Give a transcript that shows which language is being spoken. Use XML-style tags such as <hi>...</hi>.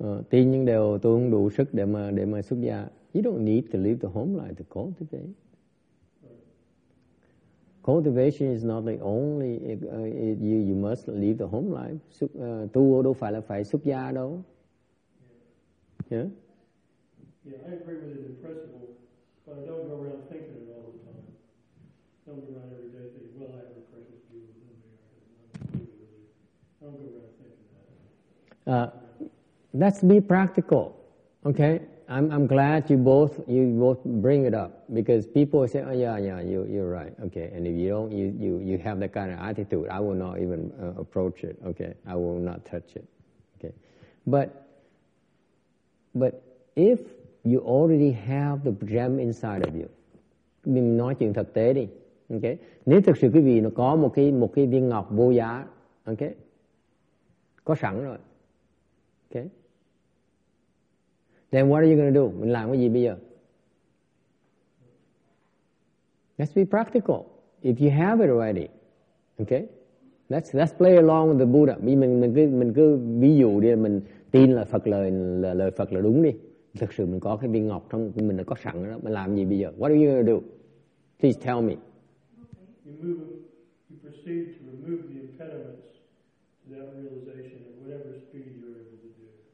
<vi>Tin nhưng đều tôi không đủ sức để mà xuất gia.</vi> <en>You don't need to leave the home life to cultivate. Cultivation is not the only you must leave the home life.</en> <vi>Tu đâu phải là phải xuất gia đâu.</vi> <en>Yeah, I agree with it in principle, but I don't go around thinking it all the time. Don't go around every day thinking, well, I have a precious view of them. Don't go around thinking that. Let's be practical, okay? I'm glad you both bring it up, because people say, oh yeah, you're right, okay. And if you don't, you have that kind of attitude, I will not even approach it, okay. I will not touch it, okay. But if you already have the gem inside of you,</en> <vi>mình nói chuyện thực tế đi,</vi> <en>okay.</en> <vi>Nếu thực sự quý vị nó có một cái viên ngọc vô giá, okay, có sẵn rồi, okay.</vi> <en>Then what are you going to do?</en> <vi>Mình làm cái gì bây giờ?</vi> <en>Let's be practical. If you have it already, okay? Let's play along with the Buddha.</en> <vi>Mình cứ ví dụ đi, mình tin là Phật lời Phật là đúng đi. Thực sự mình có cái viên ngọc trong mình, là có sẵn đó. Mình làm gì bây giờ?</vi> <en>What are you going to do? Please tell me. You proceed to remove the impediments to that realization at whatever speed you're able to do.</en>